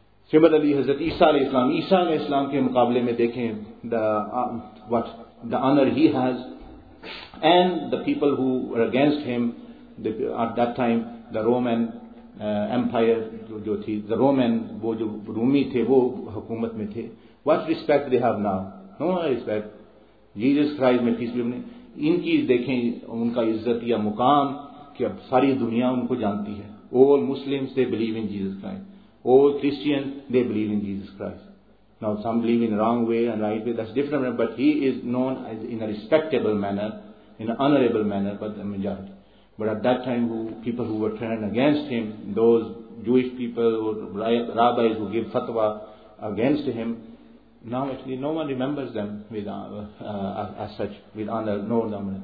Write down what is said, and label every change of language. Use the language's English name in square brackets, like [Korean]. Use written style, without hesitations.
[English] Similarly, Hazrat [Urdu] Isa alayhi salam, Isa alayhi salam ke muqable mein dekhen [English] what the honor he has, and the people who were against him at that time, the Roman empire [Urdu] jo thi, [English] the Roman [Urdu] wo jo Rumi the wo hukumat mein the, [English] what respect they have now? No respect. [Urdu] Jesus Christ mein [English] peace be upon him, [Urdu] ان کی دیکھیں ان کا عزت یا مقام کہ اب ساری دنیا ان کو جانتی ہے. [English] All Muslims they believe in Jesus Christ, all Christians they believe in Jesus Christ. Now some believe in wrong way and right way, that's different, but he is known as in a respectable manner, in an honorable manner, but the majority. But at that time, who people who were turned against him, those Jewish people or rabbis who give fatwa against him, now actually no one remembers them with as such with honor, no honor.